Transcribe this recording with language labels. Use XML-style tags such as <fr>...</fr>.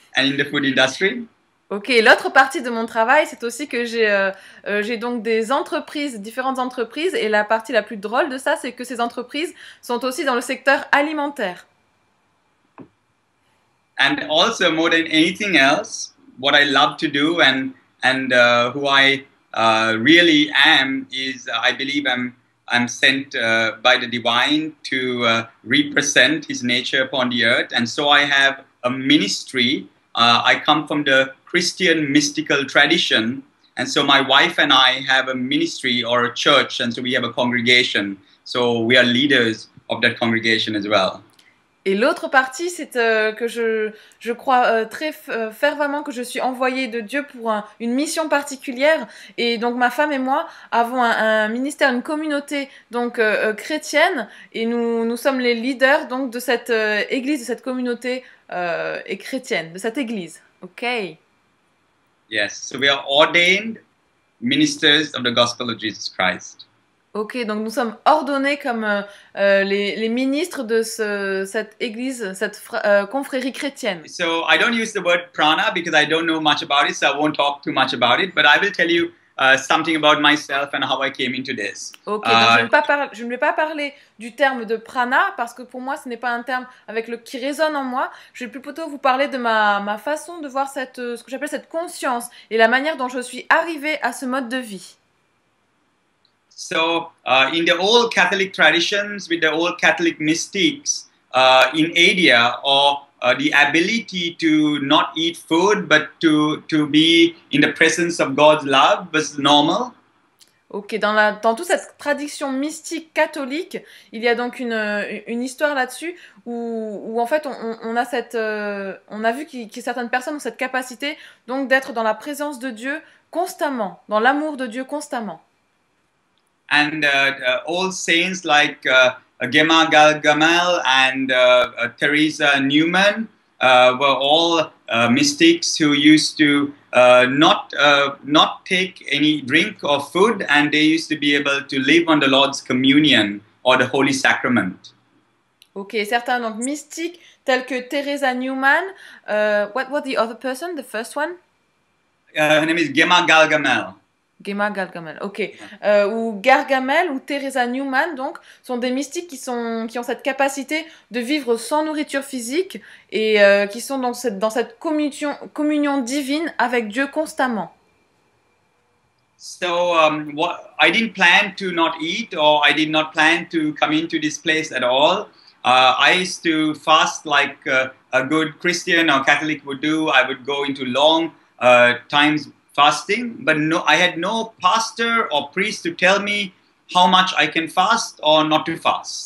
<en>And in the food industry.</en> <fr>Ok, l'autre partie de mon travail, c'est aussi que j'ai donc des entreprises, différentes entreprises, et la partie la plus drôle de ça, c'est que ces entreprises sont aussi dans le secteur alimentaire.</fr> <en>And also, more than anything else, what I love to do and who I really am is, I believe I'm sent by the divine to represent His nature upon the earth, and so I have a ministry. I come from the Christian mystical tradition, and so my wife and I have a ministry or a church, and so we have a congregation. So we are leaders of that congregation as well.</en> <fr>Et l'autre partie, c'est que je crois très fervemment que je suis envoyée de Dieu pour une mission particulière. Et donc ma femme et moi avons un ministère, une communauté donc chrétienne, et nous sommes les leaders donc de cette église, de cette communauté. Et chrétienne de cette église. OK.</fr> <en>Yes, so we are ordained ministers of the gospel of Jesus Christ.</en> <fr>OK, donc nous sommes ordonnés comme les ministres de cette église, cette confrérie chrétienne.</fr> <en>So I don't use the word prana because I don't know much about it, so I won't talk too much about it, but I will tell you something about myself and how I came into this.</en> <fr>Je ne vais pas parler du terme de prana parce que pour moi ce n'est pas un terme avec le qui résonne en moi. Je vais plutôt vous parler de ma façon de voir ce que j'appelle cette conscience et la manière dont je suis arrivée à ce mode de vie.</fr> <en>So, in the old Catholic traditions with the old Catholic mystics in India, or the ability to not eat food but to be in the presence of God's love was normal.</en> <fr>Okay, dans toute cette tradition mystique catholique, il y a donc une histoire là-dessus où en fait on a cette on a vu que certaines personnes ont cette capacité donc d'être dans la présence de Dieu constamment, dans l'amour de Dieu constamment.</fr> <en>And all saints like Gemma Galgamel and Teresa Newman were all mystics who used to not take any drink or food, and they used to be able to live on the Lord's communion or the Holy Sacrament.</en> <fr>Okay, certains donc mystiques tels que Teresa Newman.</fr> <en>What was the other person, the first one? Her name is Gemma Galgamel. Gemma Galgamel, ok.</en> <fr>Ou Gargamel ou Teresa Newman, donc, sont des mystiques qui ont cette capacité de vivre sans nourriture physique et qui sont dans cette communion divine avec Dieu constamment.</fr> <en>So, I didn't plan to not eat or I did not plan to come into this place at all. I used to fast like a good Christian or Catholic would do. I would go into long times fasting, but no, I had no pastor or priest to tell me how much I can fast or not to fast.</en>